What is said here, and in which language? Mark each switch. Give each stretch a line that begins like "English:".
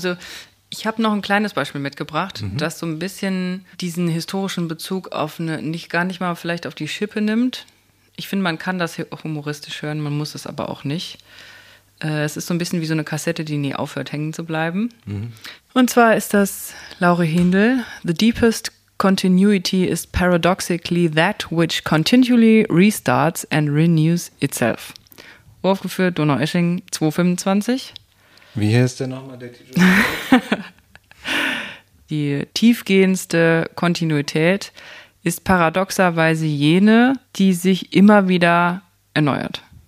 German: Also ich habe noch ein kleines Beispiel mitgebracht, das so ein bisschen diesen historischen Bezug auf eine, nicht gar nicht mal vielleicht auf die Schippe nimmt. Ich finde, man kann das humoristisch hören, man muss es aber auch nicht. Es ist so ein bisschen wie so eine Kassette, die nie aufhört, hängen zu bleiben. Mhm. Und zwar ist das Laure Hindel.
English: The deepest continuity is paradoxically that which continually restarts and renews itself.
German: Uraufgeführt, Donaueschingen, 2025. Wie heißt denn nochmal der Titel? Die tiefgehendste Kontinuität ist paradoxerweise jene, die sich immer wieder erneuert.